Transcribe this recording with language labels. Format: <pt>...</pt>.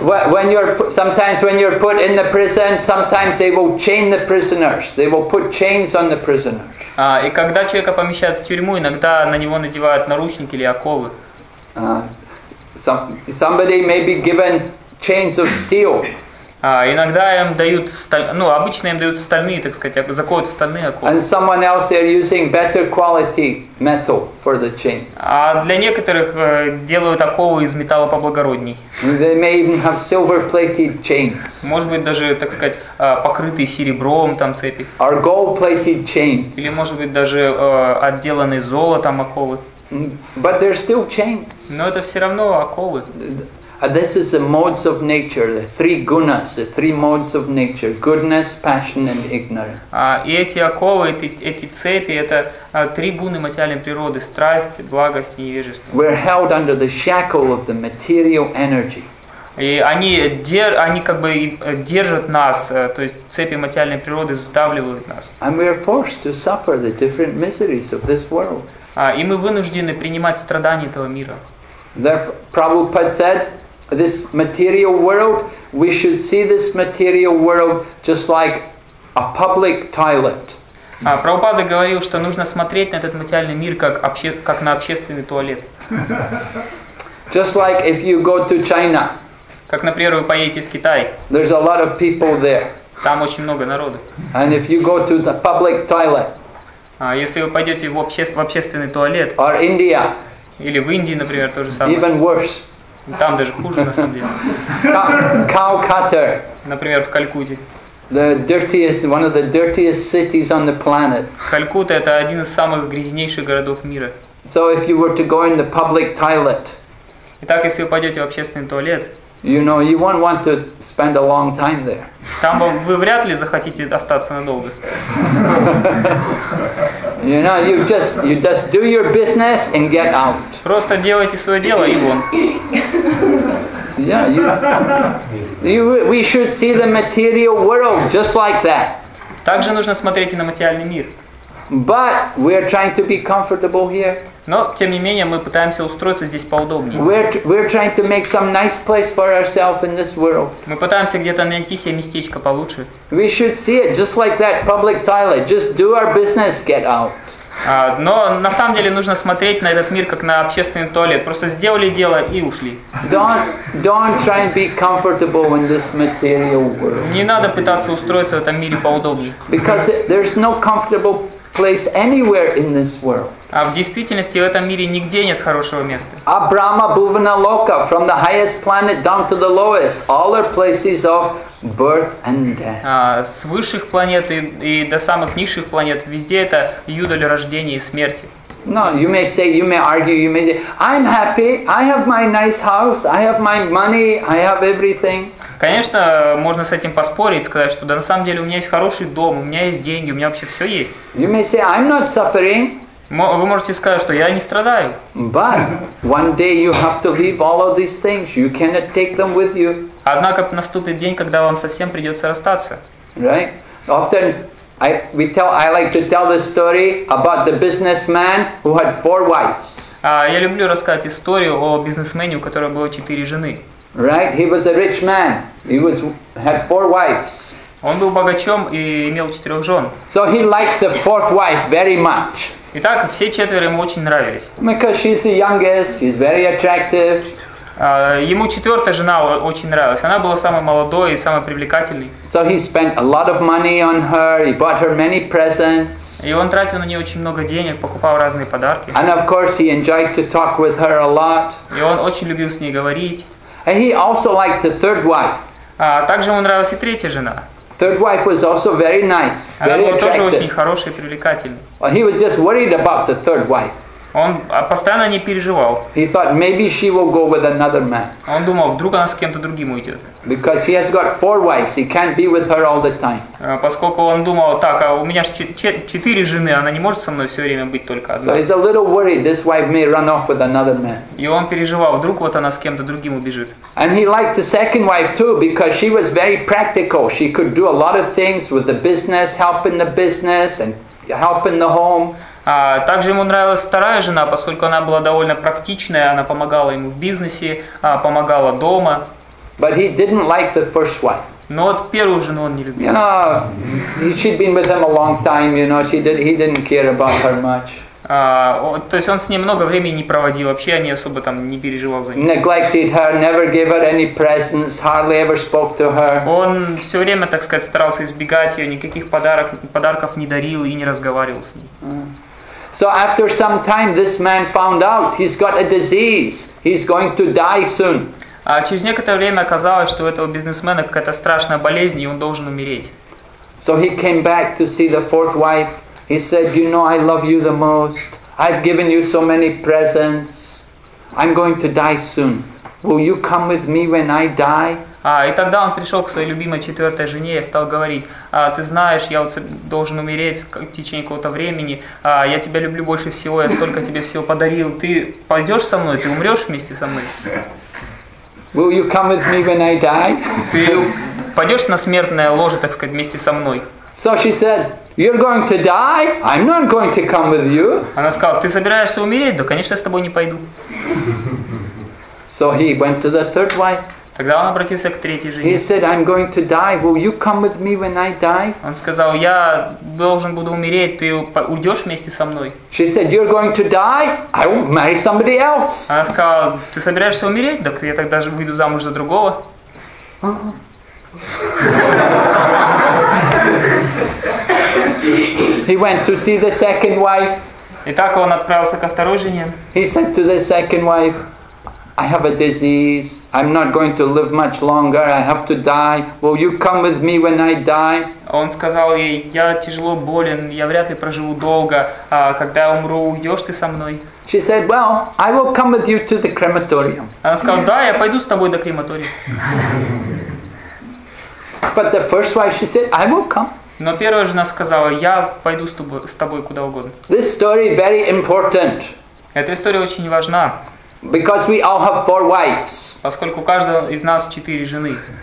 <en>When you're put in the prison, sometimes they will chain the prisoners. They will put chains on the prisoners.</en> <ru>И когда человека помещают в тюрьму, иногда на него надевают наручники или оковы.</ru> <en>Somebody may be given chains of steel.</en> <ru>Иногда им дают обычно им дают стальные, так сказать, заковывают в стальные оковы.</ru> <en>And someone else they're using better quality metal for the chains.</en> <ru>А для некоторых делают оковы из металла поблагородней.</ru> <en>They may even have silver-plated chains.</en> <ru>Может быть даже, так сказать, покрытые серебром там цепи.</ru> <en>Or gold-plated chains.</en> <ru>Или может быть даже отделанные золотом оковы.</ru> <en>But they're still chains.</en> <ru>Но это все равно оковы.</ru> <en>This is the modes of nature, the three gunas, the three modes of nature: goodness, passion, and ignorance.</en> <ru>И эти оковы, эти цепи, это три гуны материальной природы: страсть, благость и невежество.</ru> <en>We're held under the shackle of the material energy.</en> <ru>И они как бы держат нас, то есть цепи материальной природы сдавливают нас.</ru> <en>And we are forced to suffer the different miseries of this world.</en> <ru>И мы вынуждены принимать страдания этого мира.</ru> <en>Therefore, Prabhupada said, this material world, we should see this material world just like a public toilet.</en> <ru>Прабхупада говорил, что нужно смотреть на этот материальный мир как на общественный туалет.</ru> <en>Just like if you go to China.</en> <ru>Как, например, вы поедете в Китай.</ru> <en>There's a lot of people there.</en> <ru>Там очень много народу.</ru> <en>And if you go to the public toilet.</en> <ru>Если вы пойдете в общественный туалет.</ru> <en>Or India.</en> <ru>Или в Индии, например, то же самое.</ru> <en>Even worse.</en> <ru>Там даже хуже, на самом деле.</ru> <en>Calcutta.</en> <ru>Например, в Калькутте.</ru> <en>The dirtiest, one of the dirtiest cities on the planet.</en> <ru>Калькутта – это один из самых грязнейших городов мира.</ru> <en>So if you were to go in the public toilet.</en> <ru>Итак, если вы пойдете в общественный туалет.</ru> <en>You know, you won't want to spend a long time there.</en> <ru>Там вы вряд ли захотите остаться надолго.</ru> <en>You know, you just do your business and get out.</en> <ru>Просто делайте свое дело и вон.</ru> <en>Yeah, we should see the material world just like that.</en> <ru>Также нужно смотреть и на материальный мир.</ru> <en>But we are trying to be comfortable here.</en> <ru>Но тем не менее мы пытаемся устроиться здесь поудобнее.</ru> <en>We're trying to make some nice place for ourselves in this world.</en> <ru>Мы пытаемся где-то найти себе местечко получше.</ru> <en>We should see it just like that public toilet. Just do our business, get out.</en> <ru>Но на самом деле нужно смотреть на этот мир как на общественный туалет. Просто сделали дело и ушли.</ru> <en>Don't try and be comfortable in this material world.</en> <ru>Не надо пытаться устроиться в этом мире поудобнее.</ru> <en>Because there's no comfortable place anywhere in this world.</en> <ru>А в действительности в этом мире нигде нет хорошего места.</ru> <sa>Абрама Бувана Лока,</sa> <en>from the highest planet down to the lowest, all are places of birth and death.</en> <ru>С высших планет и до самых низших планет везде это юдоль рождения и смерти.</ru> <en>No, you may say, you may argue, you may say, I'm happy, I have my nice house, I have my money, I have everything.</en> <ru>Конечно, можно с этим поспорить, сказать, что да, на самом деле у меня есть хороший дом, у меня есть деньги, у меня вообще все есть.</ru> <en>You may say, I'm not suffering.</en> <ru>Вы можете сказать, что я не страдаю.</ru> <en>But one day you have to leave all of these things. You cannot take them with you.</en> <ru>Однако наступит день, когда вам совсем придется расстаться.</ru> <en>Right? Often I like to tell the story about the businessman who had four wives.</en> <ru>Я люблю рассказать историю о бизнесмене, у которого было четыре жены.</ru> <en>Right? He was a rich man. He was had four wives.</en> <ru>Он был богачом и имел четырех жен.</ru> <en>So he liked the fourth wife very much.</en> <ru>Итак, все четверо ему очень нравились.</ru> <en>Because she's the youngest, she's very attractive.</en> <ru>Ему четвертая жена очень нравилась. Она была самой молодой и самой привлекательной.</ru> <en>So he spent a lot of money on her. He bought her many presents.</en> <ru>И он тратил на нее очень много денег, покупал разные подарки.</ru> <en>And of course, he enjoyed to talk with her a lot.</en> <ru>И он очень любил с ней говорить.</ru> <en>And he also liked the third wife.</en> <ru>Также ему нравилась и третья жена.</ru> <en>Third wife was also very nice, very attractive.</en> <ru>Она была тоже очень хорошая и привлекательная.</ru> <en>He was just worried about the third wife.</en> <ru>Он постоянно не переживал.</ru> <en>He thought maybe she will go with another man.</en> <ru>Он думал, вдруг она с кем-то другим уйдет.</ru> <en>Because he has got four wives, he can't be with her all the time.</en> <ru>Поскольку он думал, так, а у меня ж четыре жены, она не может со мной все время быть только одна.</ru> <en>So he's a little worried this wife may run off with another man.</en> <ru>И он переживал, вдруг вот она с кем-то другим убежит.</ru> <en>And he liked the second wife too, because she was very practical. She could do a lot of things with the business and helping the home.</en> <ru>Также ему нравилась вторая жена, поскольку она была довольно практичная, она помогала ему в бизнесе, помогала дома.</ru> <en>But he didn't like the first wife.</en> <ru>Но вот первую жену он не любил.</ru> <en>You know, she'd been with him a long time, you know, he didn't care about her much.</en> <ru>То есть он с ней много времени не проводил, вообще не особо там не переживал за нее.</ru> <en>Neglected her, never gave her any presents, hardly ever spoke to her.</en> <ru>Он все время, так сказать, старался избегать ее, никаких подарков не дарил и не разговаривал с ней.</ru> <en>So after some time, this man found out he's got a disease. He's going to die soon.</en> <ru>А через некоторое время оказалось, что у этого бизнесмена какая-то страшная болезнь, и он должен умереть.</ru> <en>So he came back to see the fourth wife. He said, "You know, I love you the most. I've given you so many presents. I'm going to die soon. Will you come with me when I die?"</en> <ru>И тогда он пришел к своей любимой четвертой жене и стал говорить, ты знаешь, я вот должен умереть в течение какого-то времени, я тебя люблю больше всего, я столько тебе всего подарил, ты пойдешь со мной, ты умрешь вместе со мной?</ru> <en>Will you come with me when I die?</en> <ru>Ты пойдешь на смертное ложе, так сказать, вместе со мной?</ru> <en>So she said, you're going to die, I'm not going to come with you.</en> <ru>Она сказала, ты собираешься умереть? Да, конечно, я с тобой не пойду.</ru> <en>So he went to the third wife.</en> <ru>Тогда он обратился к третьей жене.</ru> <en>He said, I'm going to die. Will you come with me when I die?</en> <ru>Он сказал, я должен буду умереть, ты уйдешь вместе со мной?</ru> <en>She said, you're going to die? I will marry somebody else.</en> <ru>Она сказала, ты собираешься умереть? Так я тогда же выйду замуж за другого.</ru> <en>He went to see the second wife.</en> <ru>Итак, он отправился ко второй жене.</ru> <en>He said to the second wife, I have a disease, I'm not going to live much longer, I have to die. Will you come with me when I die?</en> <ru>Он сказал ей: "Я тяжело болен, я вряд ли проживу долго, а когда я умру, уйдёшь ты со мной?"</ru> <en>She said, "Well, I will come with you to the crematorium."</en> <ru>Она сказала: "Да, я пойду с тобой до крематория."</ru> <en>But the first wife, she said, "I will come."</en> <ru>Но первая жена сказала: "Я пойду с тобой куда угодно."</ru> <en>This story is very important.</en> <ru>Эта история очень важна.</ru> <en>Because we all have four wives.</en> <ru>Поскольку у каждого из нас четыре жены.</ru>